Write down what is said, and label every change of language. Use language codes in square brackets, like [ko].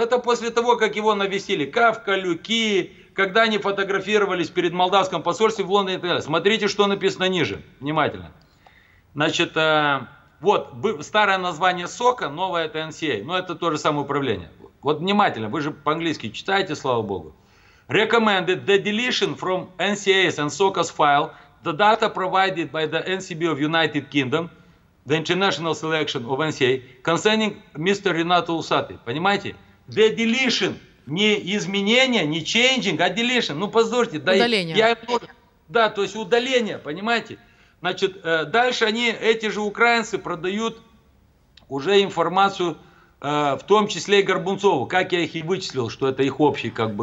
[ru] Это после того, как его навестили Кавка, Люки, когда они фотографировались перед молдавским посольством в Лондоне и так далее. Смотрите, что написано ниже, внимательно. Значит, вот, старое название СОКа, новое это NCA, но это то же самое управление. Вот внимательно, вы же по-английски читаете, слава богу. [en] Recommended the deletion from NCA's and SOCA's file, the data provided by the NCB of United Kingdom, the international selection of NCA, concerning Mr. [ru] Renato Usati. Понимаете? [en] The deletion, [ru] не изменение, не [en] changing, [ru] а [en] deletion. [ru] Ну, позвольте. Удаление. Да, да, то есть удаление, понимаете? Значит, дальше они, эти же украинцы, продают уже информацию, в том числе и Горбунцову, как я их и вычислил, что это их общий, как бы,